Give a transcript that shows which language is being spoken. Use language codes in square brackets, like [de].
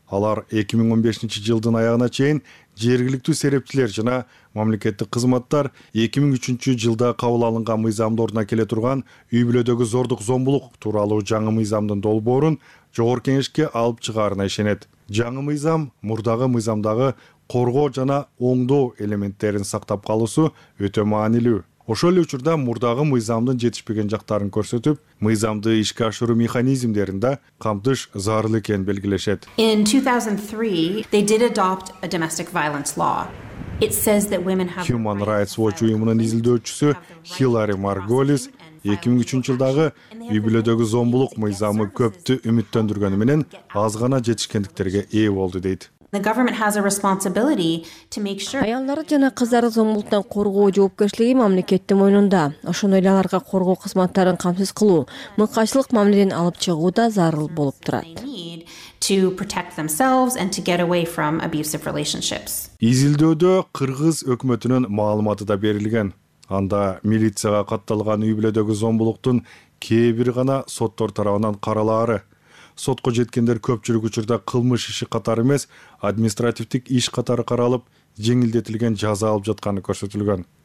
[ky] Алар 2015 жылдын аягына чейин жергиликтүү серепчилер жана мамлекеттик кызматтар 2003 жылда кабыл алынган мыйзамдын ордуна келе турган үй бүлөдөгү зордук зомбулук тууралуу жаңы мыйзамдын долбоорун Жогорку Кеңешке алып чыгаарына ишенет. Жаңы мыйзам мурдагы мыйзамдагы коргоо жана оңдоо элементтерин сактап калуусу өтө маанилүү. Ошол эле учурда мурдагы мыйзамдын жетишпеген жактарын көрсөтүп, мыйзамды ишке ашыруу механизмдерин да камтыш зарыл экенин белгилешет. [en] In 2003, they did adopt a domestic violence law. It says that women have [ky] Human Rights Watch уюмунун изилдөөчүсү Хилари Марголис 2003 жылдагы үй бүлөдөгү зомбулук мыйзамы көптү үмүттөндүргөнү менен аз гана жетишкендиктерге ээ болду дейт. [en] The government has a responsibility to make sure [ky] Аялдарды жана кыздарды зомбулуктан коргоо жоопкерчилиги мамлекеттин мойнунда. Ошондой эле аларга коргоо кызматтарын камсыз кылуу, мыйкачылык мамиледен алып чыгуу да зарыл болуп турат. [en] To protect themselves and to get away from abusive relationships. [ky] Изилдөөдө кыргыз өкмөтүнүн маалыматы да берилген. Анда милицияга катталган үй бүлөдөгү зомбулуктун кээ бири гана соттор тарабынан каралаары Сотко жеткендер көпчүлүк учурда кылмыш иши катары эмес, административдик иш катары каралып, жеңилдетилген жаза алып жатканы көрсөтүлгөн.